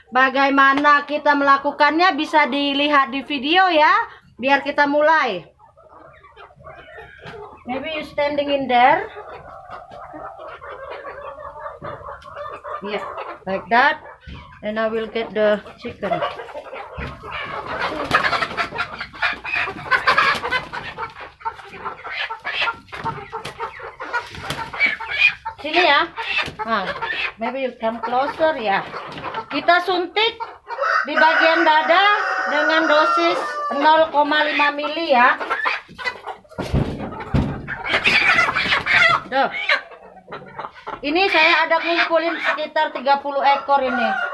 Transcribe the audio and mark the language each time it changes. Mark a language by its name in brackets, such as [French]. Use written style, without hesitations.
[Indonesian] Bagaimana kita melakukannya bisa dilihat di video ya. Biar kita mulai. [English] Maybe you standing in there. Yeah, like that. And I will get the chicken. [Indonesian] Sini ya. Nah, [English] maybe you come closer [Indonesian] ya. Kita suntik di bagian dada dengan dosis 0,5 mili ya. Duh. Ini saya ada ngumpulin sekitar 30 ekor ini.